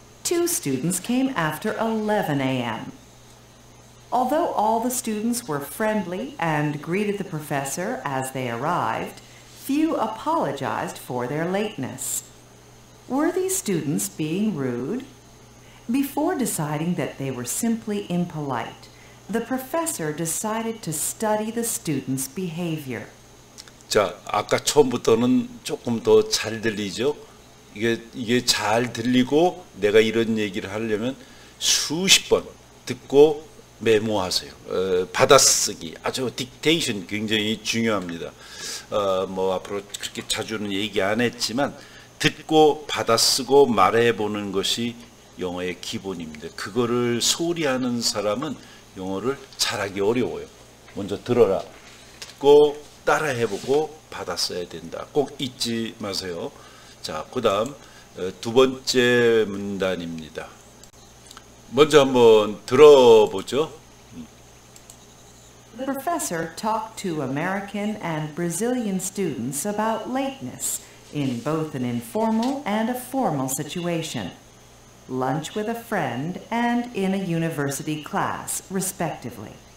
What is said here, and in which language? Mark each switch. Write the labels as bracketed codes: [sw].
[en] Two students came after 11 a.m. Although all the students were friendly and greeted the professor as they arrived, few apologized for their lateness. Were these students being rude? Before deciding that they were simply impolite, the professor decided to study the students' behavior. [ko] 자, 아까 처음부터는 조금 더 잘 들리죠? 이게 잘 들리고 내가 이런 얘기를 하려면 수십 번 듣고 메모하세요. 받아쓰기. 아주 딕테이션 굉장히 중요합니다. 앞으로 그렇게 자주는 얘기 안 했지만 듣고 받아쓰고 말해보는 것이 영어의 기본입니다. 그거를 소리하는 사람은 영어를 잘하기 어려워요. 먼저 들어라. 듣고 따라해보고 받았어야 된다. 꼭 잊지 마세요. 자, 그 다음 두 번째 문단입니다. 먼저 한번 들어보죠. [en] The professor talked to American and Brazilian students about lateness in both an informal and a formal situation. Lunch with a friend and in a university class, respectively.